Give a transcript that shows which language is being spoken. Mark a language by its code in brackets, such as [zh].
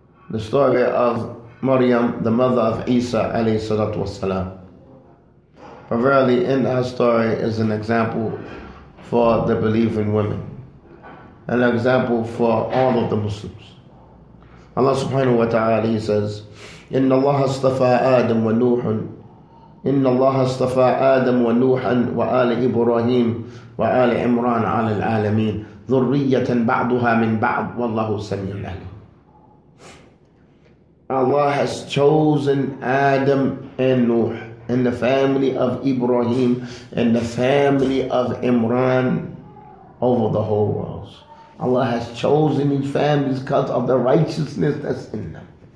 [en] The story of Maryam, the mother of Isa alayhi salatu wasalam. But really, in our story is an example for the believing women, an example for all of the Muslims. [ar] Allah subhanahu wa ta'ala, [en] he says, [ar] إِنَّ اللَّهَ اصْطَفَى آدَمْ وَنُوحٌ إِنَّ اللَّهَ اصْطَفَى آدَمْ وَنُوحًا وَآلِ إِبْرَاهِيمَ وَآلِ عِمْرَانَ عَلَى الْعَالَمِينَ ذُرِّيَّةً بَعْضُهَا مِنْ بَعْضٍ وَاللَّهُ سَمِيعٌ عَلِيمٌ. [en] Allah has chosen Adam and Nuh in the family of Ibrahim and the family of Imran over the whole world. Allah has chosen these families because of the righteousness that's in them.